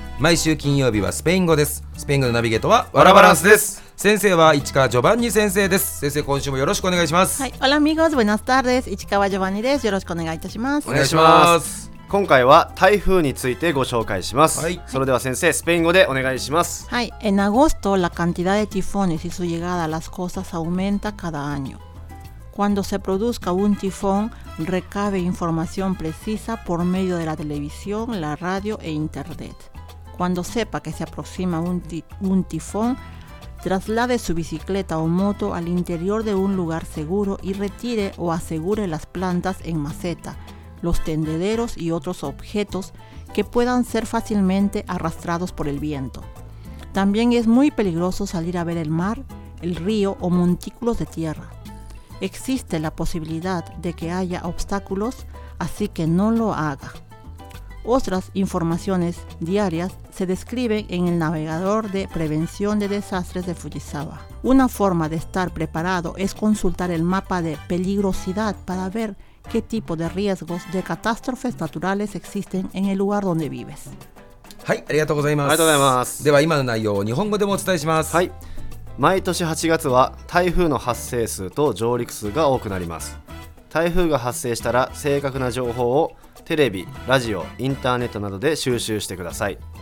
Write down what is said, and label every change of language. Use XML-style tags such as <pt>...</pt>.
<ja>毎週金曜日はスペイン語です。スペイン語のナビゲートはワラバランスです。先生は市川ジョバンニ先生です。先生今週もよろしくお願いします。はい、オラミゴーズブナスタールです。市川ジョバンニです。よろしくお願いいたします。お願いします。今回は台風についてご紹介します、はい、それでは先生スペイン語でお願いします。</ja> <es>はい、en agosto la cantidad de tifones y su llegada a las costas aumenta cada año. Cuando se produzca un tifón, recabe información precisa por medio de la televisión, la radio e internet. Cuando sepa que se aproxima un tifón, traslade su bicicleta o moto al interior de un lugar seguro y retire o asegure las plantas en maceta, los tendederos y otros objetos que puedan ser fácilmente arrastrados por el viento. También es muy peligroso salir a ver el mar, el río o montículos de tierra. Existe la posibilidad de que haya obstáculos, así que no lo haga. Otras informaciones diarias se describen en el navegador de prevención de desastres de Fujisawa. Una forma de estar preparado es consultar el mapa de peligrosidad para ver qué tipo de riesgos de catástrofes naturales existen en el lugar donde vives.</es> <ja>はい、ありがとうございます。ありがとうございます。では今の内容を日本語でもお伝えします。はい。毎年8月は台風の発生数と上陸数が多くなります。台風が発生したら正確な情報をテレビ、ラジオ、インターネットなどで収集してください。</ja>